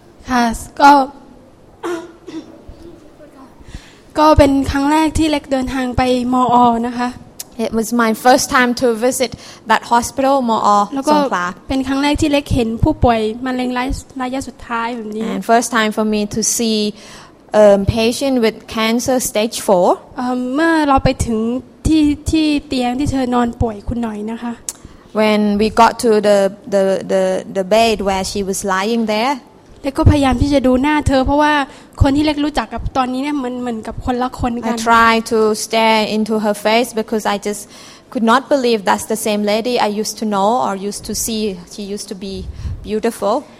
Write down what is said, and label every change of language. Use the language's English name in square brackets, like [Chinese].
[Thai] ค่ะก็เป็นครั้งแรกที่เล็กเดินทางไปมอนะคะ [English] It was my first time to visit that hospital มอ Songkhla [Thai] เป็นครั้งแรกที่เล็กเห็นผู้ป่วยมะเร็งระยะสุดท้ายแบบนี้ [English] And first time for me to see patient with cancer stage 4 [Thai] เมื่อเราไปถึงที่เตียงที่เธอนอนป่วยคุณหน่อยนะคะ [English] When we got to the bed where she was lying there [Thai] เล็กก็พยายามที่จะดูหน้าเธอเพราะว่าคนที่เล็กรู้จักกับตอนนี้เนี่ยมันเหมือนกับคนละคนกัน [English] I tried to stare into her face because I just could not believe that's the same lady I used to know or used to see she used to be beautiful